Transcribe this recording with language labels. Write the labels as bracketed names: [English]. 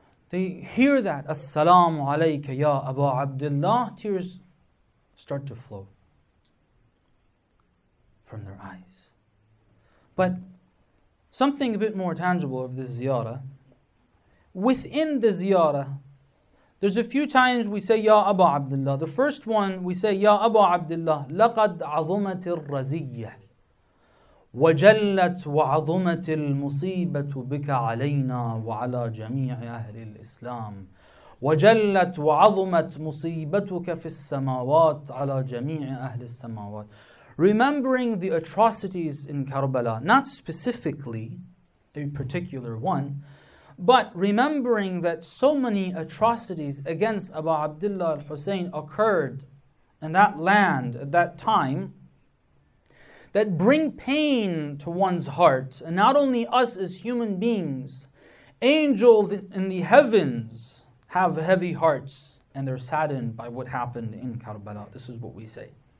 [English] They hear that, assalamu alayka ya Aba Abdullah, tears start to flow from their eyes. But something a bit more tangible of this ziyarah. Within the ziyarah, there's a few times we say, Ya Aba Abdullah. The first one, we say, [Arabic] Ya Aba Abdullah, لَقَدْ عَظُمَتِ الرَّزِيَّةِ وَجَلَّتْ وَعَظُمَتِ الْمُصِيبَةُ بِكَ عَلَيْنَا وَعَلَى جَمِيعِ أَهْلِ الْإِسْلَامِ وَجَلَّتْ وَعَظُمَتْ مُصِيبَتُكَ فِي السَّمَاوَاتِ عَلَى جَمِيعِ أَهْلِ السَّمَاوَاتِ. [English] Remembering the atrocities in Karbala, not specifically a particular one, but remembering that so many atrocities against Abu Abdullah al-Husayn occurred in that land at that time, that bring pain to one's heart, and not only us as human beings, angels in the heavens have heavy hearts and they're saddened by what happened in Karbala. This is what we say.